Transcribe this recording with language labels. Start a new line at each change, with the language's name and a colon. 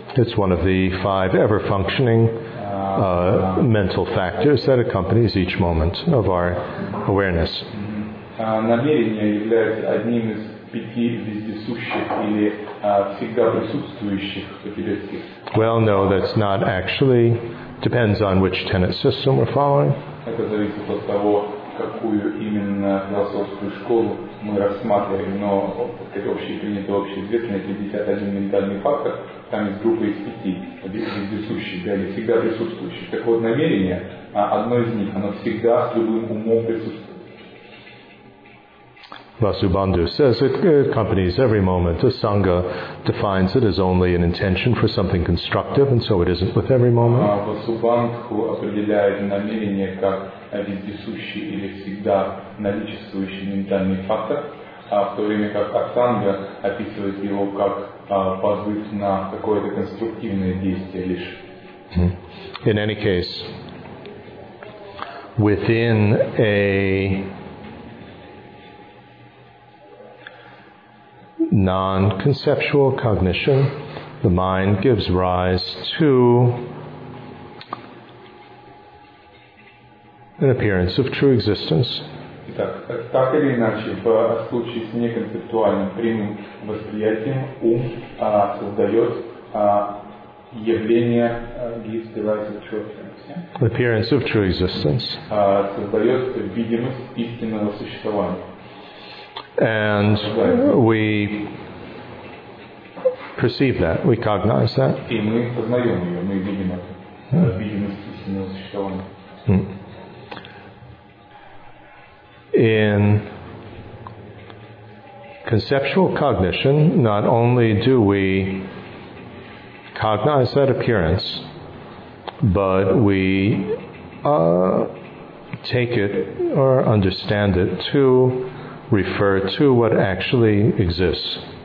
English: It's one of the five ever-functioning mental factors that accompanies each moment of our awareness.
Russian: Намерение является одним из пяти вездесущих или всегда присутствующих потребностей.
English: Well, no, that's not actually. Depends on which tenet system we're following.
Russian: Это зависит от того, какую именно философскую школу мы рассматриваем. Но это общепринято, общеизвестно, это 51 ментальный фактор, там есть группа из пяти, вездесущих, да, или всегда присутствующих. Так вот, намерение, одно из них, оно всегда с любым умом присутствует.
English: Vasubandhu says it accompanies every moment. The Sangha defines it as only an intention for something constructive, and so it isn't with every moment.
Russian: Vasubandhu определяет намерение как вездесущий или всегда наличествующий ментальный фактор, в то время как Асанга описывает его как позыв на какое-то конструктивное действие лишь.
English: In any case, within a non-conceptual cognition, the mind gives rise to an appearance of true existence.
Russian: Итак, так или иначе, в случае с неконцептуальным прямым восприятием, ум создает явление,
English: gives rise to true existence. Appearance of true existence.
Russian: Создает видимость истинного существования.
English: And we perceive that, we cognize that. In conceptual cognition, not only do we cognize that appearance, but we take it or understand it to refer to what actually exists.